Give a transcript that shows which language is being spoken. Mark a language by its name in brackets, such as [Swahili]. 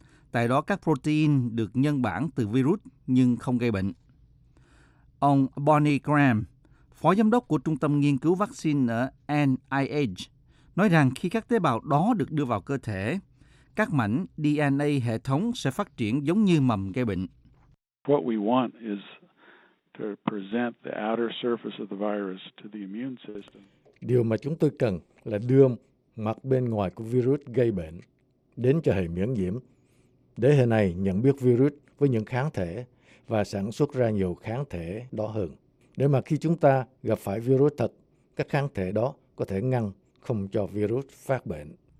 [Vietnamese] Tại đó các protein được nhân bản từ virus nhưng không gây bệnh. Ông Bonnie Graham, phó giám đốc của Trung tâm Nghiên cứu Vaccine ở NIH, nói rằng khi các tế bào đó được đưa vào cơ thể, các mảnh DNA hệ thống sẽ phát triển giống như mầm gây bệnh. [English] What we want is to present the outer surface of the virus to the immune system. [Vietnamese] Điều mà chúng tôi cần là đưa mặt bên ngoài của virus gây bệnh đến cho hệ miễn nhiễm, để hệ này nhận biết virus với những kháng thể và sản xuất ra nhiều kháng thể đó hơn, để mà khi chúng ta gặp phải virus thật, các kháng thể đó có thể ngăn không cho virus phát bệnh.